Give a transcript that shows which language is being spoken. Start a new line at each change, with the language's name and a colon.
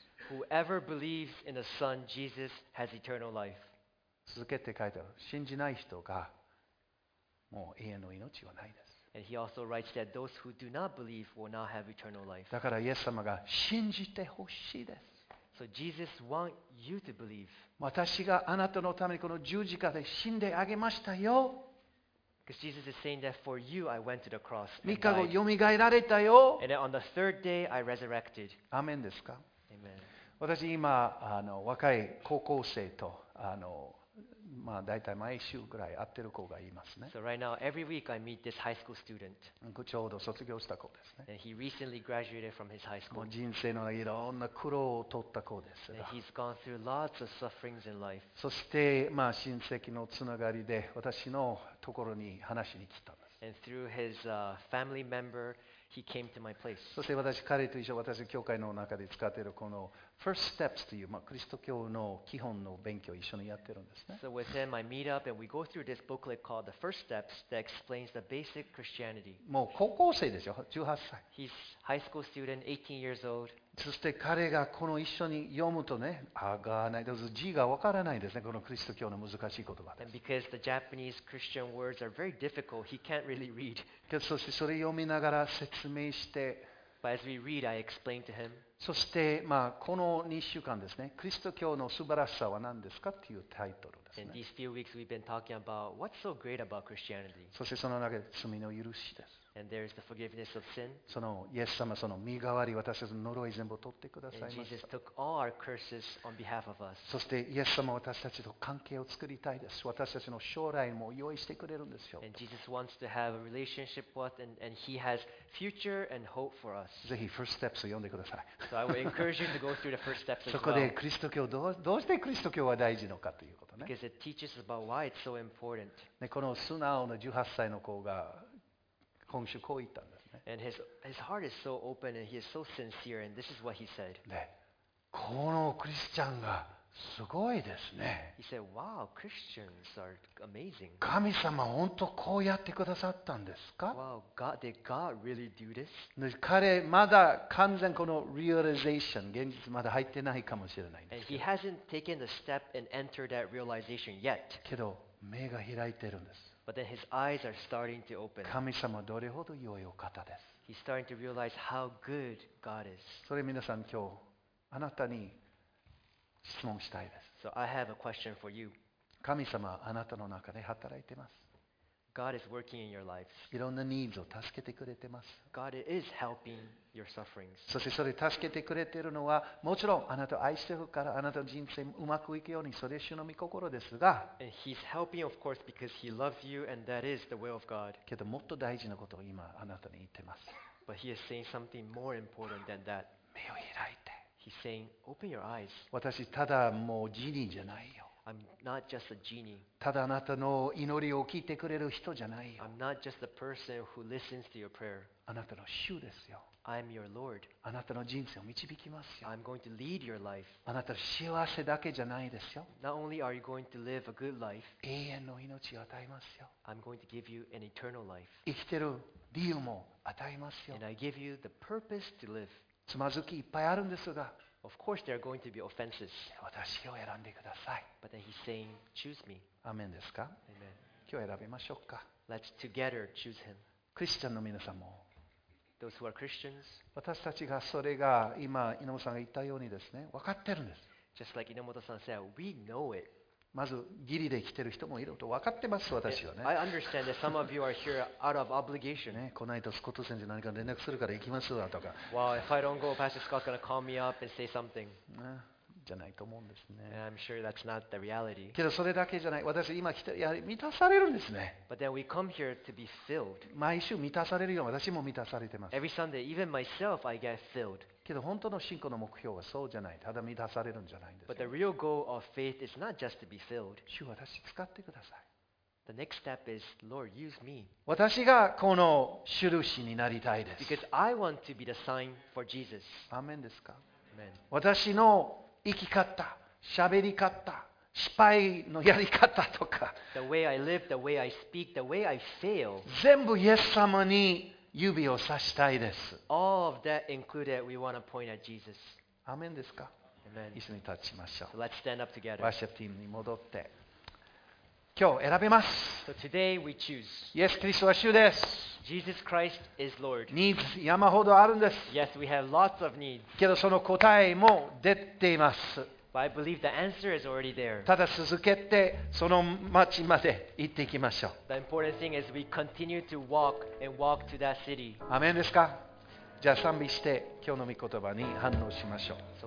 English: Whoever believes in the Son, Jesus has eternal life.
Japanese: 続けて書いてある。信じない人がもう永遠の命はないです。
English: And he also writes that those who do not believe will not have eternal life.
Japanese: だからイエス様が信じてほしいです。
English: So Jesus want you to believe.
Japanese: 私があなたのためにこの十字架で死んであげましたよ。
English: Because Jesus is saying that for you, I went to the cross.
Japanese: 3日後よみがえられたよ。
English: And then on the third day, I resurrected.
Japanese: アメンですか。
English: Amen.
Japanese: 私今若い高校生とまあ、大体毎週ぐらい会ってる子がいますね。
English: So right now, every week I meet this high school student.
Japanese: ちょうど卒業した子ですね。
English: And he recently graduated from his high school.
Japanese: 人生のいろんな苦労を取った子です。
English: And he's gone through lots of sufferings in life.
Japanese: そして、まあ、親戚のつながりで私のところに話しに来たんです。
English: And through his family member, he came to my place.
Japanese: そして私、彼と一緒、私、教会の中で使っているこの First Steps という、まあ、クリスト教の基本の勉強を一緒にやってるんですね。
English: So with him, I meet up and we go through this booklet called The First Steps that explains the basic Christianity.
Japanese: もう高校生ですよ、18歳。
English: He's high school student, 18 years old.
Japanese: そして彼がこの一緒に読むとね、あがない、字がわからないですね、このクリスト教の難しい言葉です。
English: And because the Japanese Christian words are very difficult, he can't really read.
Japanese: そしてそれ読みながら説明して、
English: But as we read, I explain to him.
Japanese: そして、まあ、この2週間ですね、クリスト教の素晴らしさは何ですかというタイトルですね。
English: In these few weeks, we've been talking about what's so great about Christianity.
Japanese: そしてその中で罪の許しです。
English: And there is the forgiveness of sin.
Japanese: そのイエス様、その身代わり、私たちの呪い全部取ってくださいました。
English: And Jesus took all our curses on behalf of us.
Japanese: そしてイエス様、私たちと関係を作りたいです。私たちの将来も用意してくれるんですよ。
English: And Jesus wants to have a relationship with us, and he has future and hope for us.
Japanese: ぜひ、First Steps を読んでください。
English: So I would encourage you to go through the First Steps as well.
Japanese: そこでクリスト教、どうしてクリスト教は大事のかということね。
English: Because it teaches about why it's so important.
Japanese: ね、この素直な18歳の子が、今週こう言ったんですね。
English: And his heart is so open and he is so sincere and this is what he said.
Japanese: ね、このクリスチャンがすごいですね。
English: He said, "Wow, Christians are amazing."
Japanese: 神様本当こうやってくださったんですか
English: ？Wow, God, did God really do this?
Japanese: 彼まだ完全この realization 現実まだ入ってないかもしれないんですけど。
English: And he hasn't taken the step and entered that realization yet.
Japanese: けど目が開いてるんです。
English: But then his eyes are starting to open.
Japanese: 神様どれほど良いお方です。
English: He's starting to realize how good God is.
Japanese: それ皆さん今日あなたに質問したいです。
English: So I have a question for you.
Japanese: 神様あなたの中で働いてます。
English: God is working in your lives.
Japanese: いろんなニーズを助けてくれてます。
English: God is helping your sufferings.
Japanese: そしてそれ助けてくれてるのはもちろんあなたを愛してるからあなたの人生うまくいくようにそれ主の御心ですが。
English: And he's helping, of course, because he loves you, and that is the will of God.
Japanese: けどもっと大事なことを今あなたに言ってます。
English: But he is saying something more important than that.
Japanese: 目を開いて。
English: He's saying, open your eyes.
Japanese: 私ただもうジニーじゃないよ。
English: I'm not just a genie.
Japanese: ただあなたの祈りを聞いてくれる人じゃないよ。
English: I'm not just a person who listens to your prayer.
Japanese: あなたの主ですよ。
English: I'm your Lord.
Japanese: あなたの人生を導きますよ。
English: I'm going to lead your life.
Japanese: あなたの幸せだけじゃないですよ。
English: Not only are you going to live a good life.
Japanese: 永遠の命を与えますよ。
English: I'm going to give you an eternal life.
Japanese: 生きてる理由も与えますよ。
English: And I give you the purpose to live.
Japanese: つまずきいっぱいあるんですが。
English: Of course, there are going to be offenses.
Japanese: 私を選んでください。
English: But then he's saying, choose me.
Japanese: アメンですか？
English: Amen.
Japanese: 今日選びましょうか。
English: Let's together choose him.
Japanese: クリスチャンの皆さんも。
English: Those who are Christians.
Japanese: 私たちがそれが今、猪本さんが言ったようにですね、分かってるんです。
English: Just like 猪本さん said, we know it.
Japanese: まず、義理で来てる人もいると分かってます、私はね。
English: I understand that some of you are here out of obligation.
Japanese: ね、こないだスコット先生何か連絡するから行きますわとか。
English: Well, if I don't go, Pastor Scott's gonna call me up and say something.
Japanese: ね、じゃないと思うんですね。
English: And I'm sure that's not the reality.
Japanese: けどそれだけじゃない。私、今来て、やはり満たされるんですね。
English: But then we come here to be filled.
Japanese: 毎週満たされるよ。私も満たされてます。
English: Every Sunday, even myself, I get filled.
Japanese: けど本当の信仰の目標はそうじゃない。ただ満たされるんじゃないんです。
English: But the real goal of faith is not just to be filled.
Japanese: 主私使ってください。
English: The next step is, Lord, use me.
Japanese: 私がこの印になりたいです。
English: Because I want to be the sign for Jesus.
Japanese: アメンですか？
English: Amen.
Japanese: 私の生き方、喋り方、失敗のやり方とか。
English: The way I live, the way I speak, the way I fail.
Japanese: 全部イエス様に指を指したいです。
English: All of that included, we want to point at Jesus.
Japanese: アメンですか？
English: Amen.
Japanese: 一緒に立ちましょう。
English: So、let's stand up together.
Japanese: ワーシップチームに戻って。今日選びます。
English: So、today we choose.
Japanese: イエス・キリストは主です。
English: Jesus Christ is Lord.
Japanese: Needs 山ほどあるんです。
English: Yes, we have lots of needs.
Japanese: けどその答えも出ています。
English: But I believe the answer is already there.
Japanese: ただ続けてその町まで行っていきましょう。
English: The important thing is we continue to walk and walk to that city.
Japanese: アメンですか？じゃあ賛美して今日の御言葉に反応しましょう。